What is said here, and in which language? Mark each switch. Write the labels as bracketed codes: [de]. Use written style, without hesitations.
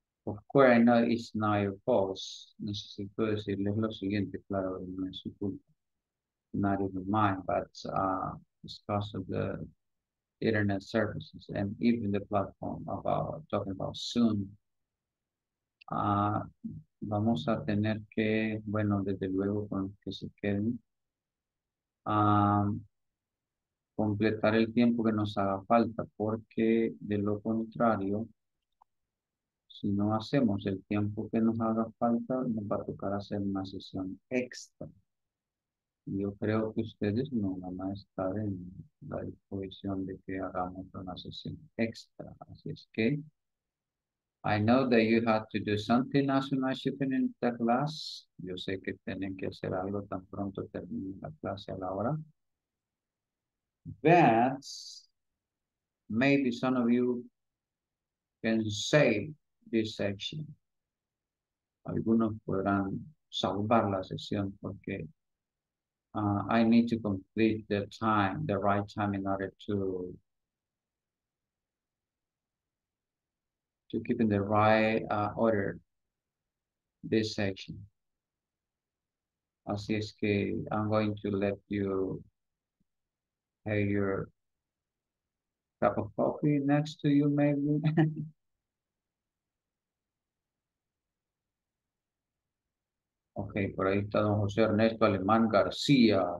[en] Of course, I know it's not your fault. [es] Necesito decirles lo siguiente, claro, no es su culpa. [en] Not even mine, but discuss of the internet services and even the platform about talking about soon. [es] Vamos a tener que, bueno, desde luego, con que se queden, completar el tiempo que nos haga falta, porque de lo contrario, si no hacemos el tiempo que nos haga falta, nos va a tocar hacer una sesión extra. Yo creo que ustedes no van a estar en la disposición de que hagamos una sesión extra. Así es que, [en] I know that you have to do something as soon as you finish the class. [es] Yo sé que tienen que hacer algo tan pronto termine la clase a la hora. [en] But maybe some of you can save this section. [es] Algunos podrán salvar la sesión porque [en] I need to complete the time, the right time in order to keep in the right order this section. [es] Así es que [en] I'm going to let you have your cup of coffee next to you maybe. [es] Okay, por ahí está don José Ernesto Alemán García.